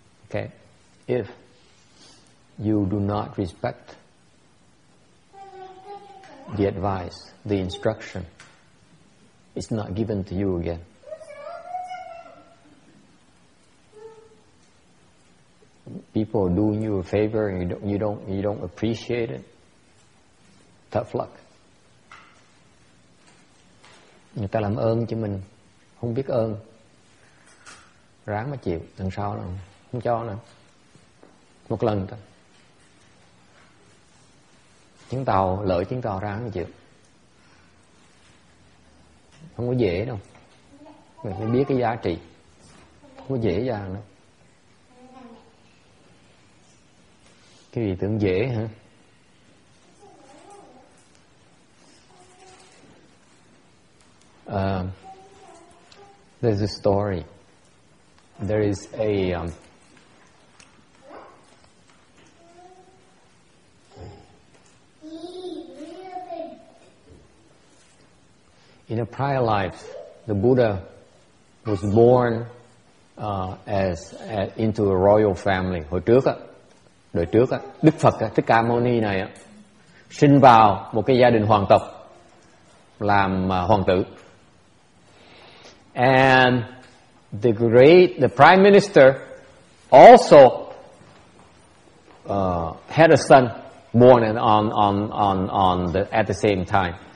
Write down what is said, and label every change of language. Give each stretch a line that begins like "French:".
English: Okay, if you do not respect the advice, the instruction, it's not given to you again. People are doing you a favor, and you don't appreciate it. Tough luck.
Vietnamese: Người ta làm ơn chứ mình không biết ơn, ráng mà chịu, lần sau nữa không cho nữa, một lần thôi. Chuyến tàu lỡ chuyến tàu ráng mà chịu, không có dễ đâu. Mình phải biết cái giá trị, không có dễ dàng đâu. Cái gì tưởng dễ hả?
English: There's a story. There is a in a prior life, the Buddha was born as into a royal family.
Vietnamese: Hồi trước á, đời trước á, Đức Phật á, Thích Ca Mâu Ni này á, sinh vào một cái gia đình hoàng tộc, làm hoàng tử.
English: And the prime minister also had a son born at the same time.